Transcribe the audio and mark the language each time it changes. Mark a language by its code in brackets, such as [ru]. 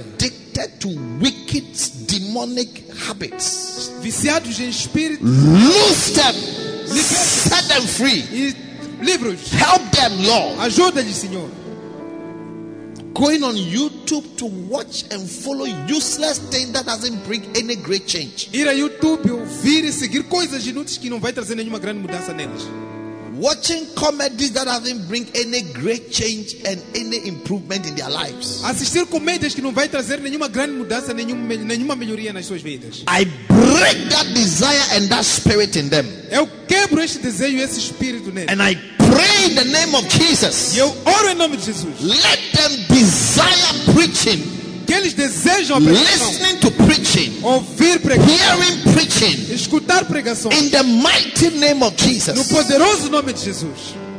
[en] addicted to wicked demonic habits, [pt] viciados em espíritos, [en] loose them, set them free, [pt] e livros, [en] help them, Lord, [pt] ajuda-lhes, Senhor. [en] Going on YouTube to watch and follow useless things that doesn't bring any great change. [pt] Ir a YouTube ouvir e seguir coisas inúteis que não vai trazer nenhuma grande mudança neles. [en] Watching comedies that doesn't bring any great change and any improvement in their lives. [pt] Assistir comédias que não vai trazer nenhuma grande mudança, nenhuma melhoria nas suas vidas. [en] I break that desire and that spirit in them. [pt] Eu quebro esse desejo e esse espírito neles. [en] And I pray in the name of Jesus. [pt] Eu oro em nome de Jesus. [en] Let them desire preaching. [pt] Que eles desejam pregação. [en] Listening to preaching. [pt] Ouvir pregação. [en] Hearing preaching. [pt] Escutar pregação. [en] In the mighty name of Jesus. [pt] No poderoso nome de Jesus.